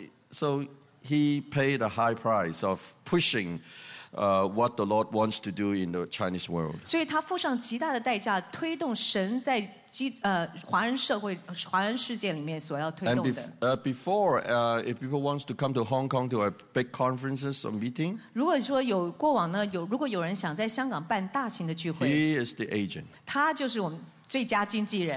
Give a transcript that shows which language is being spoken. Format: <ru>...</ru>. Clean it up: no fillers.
<en>So he paid a high price of pushing what the Lord wants to do in the Chinese world.</en> <zh>所以他付上极大的代价推动神在华人社会华人世界里面所要推动的。</zh> <en>And if people want to come to Hong Kong to a big conferences or meeting,</en> <zh>如果说有过往呢，如果有人想在香港办大型的聚会，</zh> <en>he is the agent.</en> <zh>他就是我们最佳经纪人。</zh>